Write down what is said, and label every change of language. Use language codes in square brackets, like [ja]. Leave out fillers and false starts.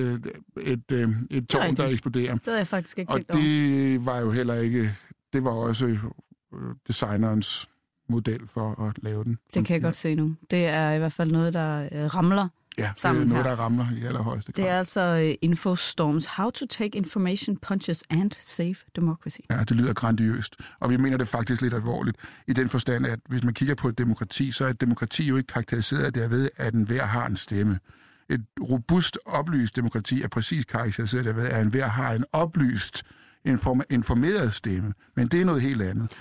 [da] Et tårn, der eksploderer. Det havde jeg faktisk ikke og det om. Var jo heller ikke, det var også designerens model for at lave den. Det kan jeg godt se nu. Det er i hvert fald noget, der ramler. Ja, det er noget, der ramler i allerhøjeste grad. Det er altså Infostorms. [en] How to take information punches and save democracy. [da] Ja, det lyder grandiøst. Og vi mener det faktisk lidt alvorligt i den forstand, at hvis man kigger på et demokrati, så er et demokrati jo ikke karakteriseret derved, at enhver har en stemme. Et robust, oplyst demokrati er præcis karakteriseret derved, at enhver har en oplyst, informeret stemme. Men det er noget helt andet.